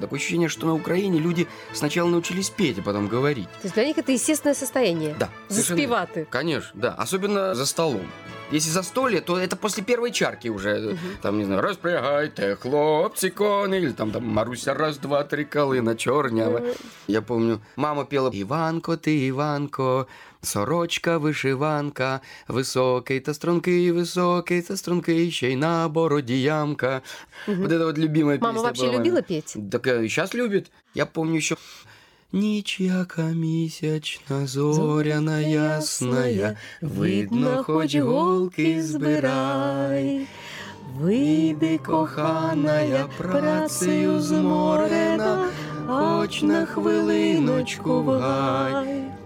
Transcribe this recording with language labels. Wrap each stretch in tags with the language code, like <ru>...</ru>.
<ru>Такое ощущение, что на Украине люди сначала научились петь, а потом говорить. То есть для них это естественное состояние? Да.</ru> <uk>Заспеваты?</uk> <ru>Конечно, да. Особенно за столом. Если застолье, то это после первой чарки уже. Там, не знаю, распрягайте, хлопцы, кони. Или там, Маруся, раз, два, три, калина чорнява. Я помню, мама пела</ru> <uk>«Іванко, ти, Іванко, сорочка, вишиванка, високий та стрункий, високий та стрункий, ще й на бороді ямка».</uk> <ru>Вот это вот любимая песня. Мама вообще любила петь? Так сейчас любит. Я помню еще...</ru> <uk>Ніч яка місячна, зоряна ясная, видно, хоч голки збирай. Вийди, коханая, працею зморена, хоч на хвилиночку вгай.</uk>